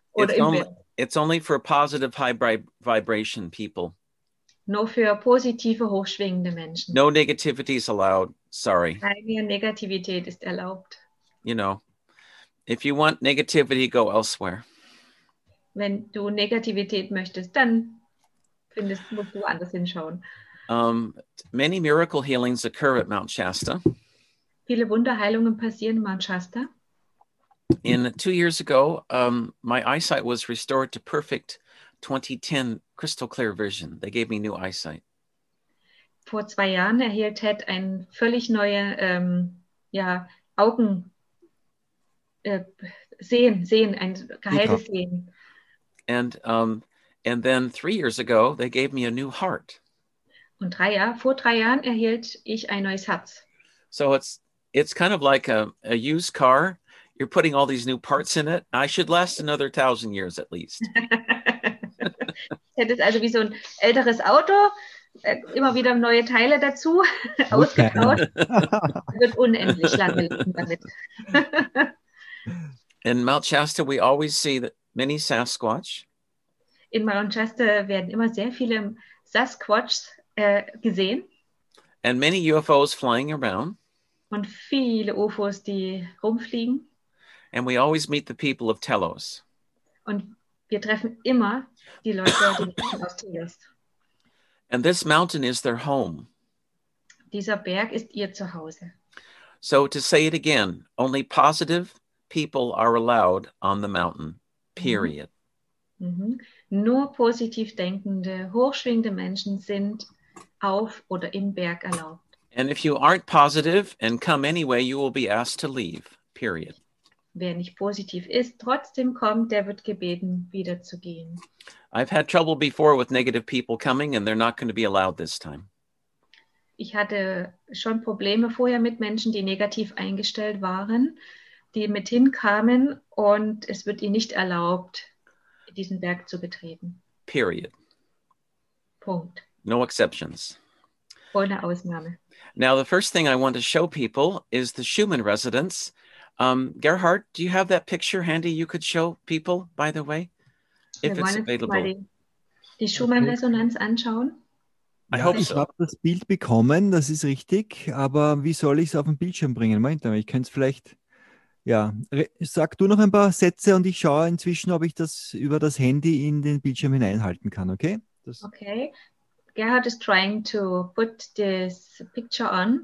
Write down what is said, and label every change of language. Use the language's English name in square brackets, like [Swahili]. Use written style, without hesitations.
[English] It's only for positive high vibration people. [German] Nur für positive, hochschwingende Menschen. [English] No negativity is allowed. Sorry. [German] Keine Negativität ist erlaubt. [English] You know, if you want negativity, go elsewhere. [German] Wenn du Negativität möchtest, dann musst du anders hinschauen. [English] Many miracle healings occur at Mount Shasta. [German] Viele Wunderheilungen passieren in Mount Shasta. [English] In 2 years ago, my eyesight was restored to perfect 2010 crystal clear vision. They gave me new eyesight. [German] Vor 2 Jahren erhielt Ted eine völlig neue Augen sehen ein geheiltes Sehen. [English] And then 3 years ago, they gave me a new heart. [German] Und vor 3 Jahren erhielt ich ein neues Herz. [English] So it's kind of like a used car. You're putting all these new parts in it. I should last another 1,000 years at least. [German] Hätte es also wie so ein älteres Auto, immer wieder neue Teile dazu ausgebaut, wird unendlich lange leben damit. [English] In Mount Shasta, we always see that many Sasquatch. [German] In Mount Shasta werden immer sehr viele Sasquatchs gesehen. [English] And many UFOs flying around. [German] Und viele UFOs, die rumfliegen. [English] And we always meet the people of Telos. [German] Und wir treffen immer die Leute, die Menschen aus Telos. [English] And this mountain is their home. [German] Dieser Berg ist ihr Zuhause. [English] So to say it again, only positive people are allowed on the mountain, period. [German] Nur positiv denkende, hochschwingende Menschen sind auf oder im Berg erlaubt. [English] And if you aren't positive and come anyway, you will be asked to leave, period. [German] Wer nicht positiv ist, trotzdem kommt, der wird gebeten, wieder zu gehen. [English] I've had trouble before with negative people coming and they're not going to be allowed this time. [German] Ich hatte schon Probleme vorher mit Menschen, die negativ eingestellt waren, die mit hinkamen und es wird ihnen nicht erlaubt, diesen Berg zu betreten. [English] Period. [German] Punkt. [English] No exceptions. [German] Ohne Ausnahme. [English] Now the first thing I want to show people is the Schumann residence. Gerhard, do you have that picture handy you could show people, by the way, if it's available? [German] Die Schumann-Resonanz anschauen? [English] I hope so. [German] Ich habe das Bild bekommen, das ist richtig, aber wie soll ich es auf den Bildschirm bringen? Moment, ich könnte es vielleicht, ja, sag du noch ein paar Sätze und ich schaue inzwischen, ob ich das über das Handy in den Bildschirm hineinhalten kann, okay? [English] Okay, Gerhard is trying to put this picture on.